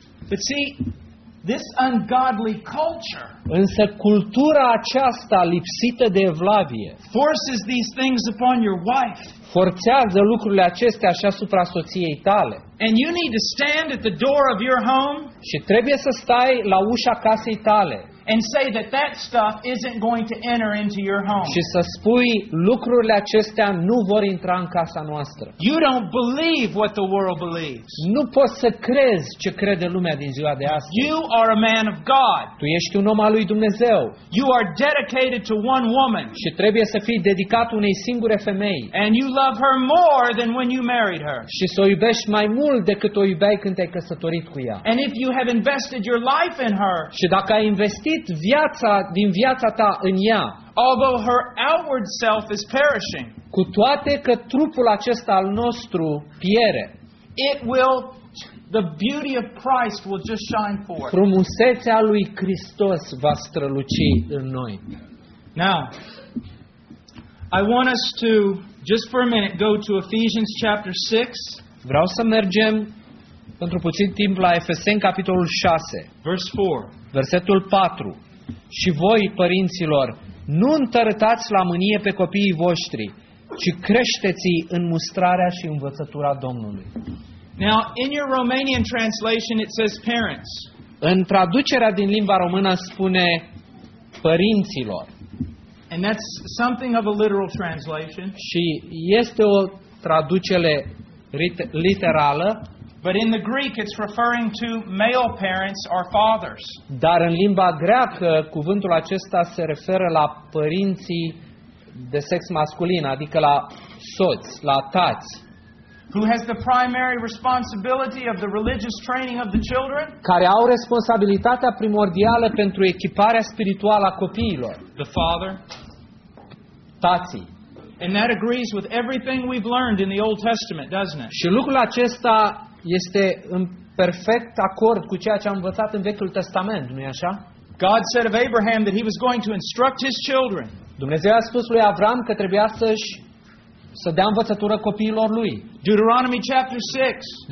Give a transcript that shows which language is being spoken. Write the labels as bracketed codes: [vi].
[en] But see, this ungodly culture. [ro] Însă cultura aceasta lipsită de evlavie [en] forces these things upon your wife. [ro] Forțează lucrurile acestea și asupra soției tale. [en] And you need to stand at the door of your home. [ro] Și trebuie să stai la ușa casei tale. [en] And say that that stuff isn't going to enter into your home. [ro] Și să spui lucrurile acestea nu vor intra în casa noastră. [en] You don't believe what the world believes. [ro] Nu poți să crezi ce crede lumea din ziua de astăzi. [en] You are a man of God. [ro] Tu ești un om al lui Dumnezeu. [en] You are dedicated to one woman. [ro] Și trebuie să fii dedicat unei singure femei. [en] And you love her more than when you married her. [ro] Și să o iubești mai mult decât o iubeai când te-ai căsătorit cu ea. [en] And if you have invested your life in her. [ro] Și dacă ai investit viața din viața ta în ea. [en] Although her outward self is perishing. [ro] Cu toate că trupul acesta al nostru piere. [en] It will, the beauty of Christ will just shine forth. [ro] Frumusețea lui Hristos va străluci în noi. [en] Now, I want us to just for a minute go to Ephesians chapter 6. [ro] Vreau să mergem pentru puțin timp la Efeseni capitolul 6. [en] Verse 4. [ro] Versetul 4. Și voi, părinților, nu întărătați la mânie pe copiii voștri, ci creșteți-i în mustrarea și învățătura Domnului. [en] Now, in your Romanian translation it says parents. [ro] În traducerea din limba română spune părinților. [en] And that's something of a literal translation. [ro] Și este o traducere literală. [en] But in the Greek it's referring to male parents or fathers. [ro] Dar în limba greacă cuvântul acesta se referă la părinții de sex masculin, adică la soți, la tați. [en] Who has the primary responsibility of the religious training of the children? [ro] Care au responsabilitatea primordială pentru echiparea spirituală a copiilor? [en] The father. [ro] Tații. [en] And that agrees with everything we've learned in the Old Testament, doesn't it? [ro] Și lucrul acesta este în perfect acord cu ceea ce am învățat în Vechiul Testament, nu-i așa? [en] God said of Abraham that he was going to instruct his children. [ro] Dumnezeu a spus lui Avram că trebuia să dea învățătură copiilor lui. [en] Deuteronomy chapter 6.